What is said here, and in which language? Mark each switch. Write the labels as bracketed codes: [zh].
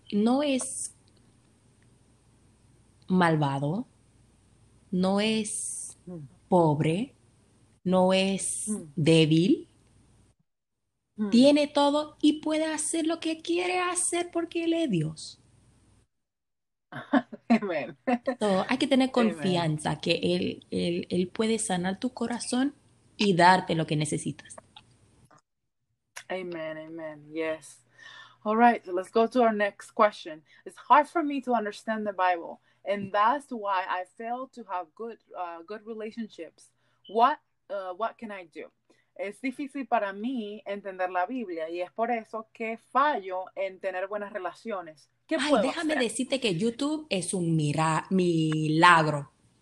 [es] no es malvado, no es pobre, no es débil, tiene todo y puede hacer lo que quiere hacer porque él es Dios. [en] Amen. [es] So, hay que tener [en] Amen. [es] confianza que él puede sanar tu corazón y darte lo que necesitas. [en] Amen, amen, yes. All right, so let's go to our next question. It's hard for me to understand the Bible, and that's why I fail to have good relationships. What can I do? [es] Es difícil para mí entender la Biblia y es por eso que fallo en tener buenas relaciones. ¿Qué Ay, puedo déjame hacer? decirte que YouTube es un milagro.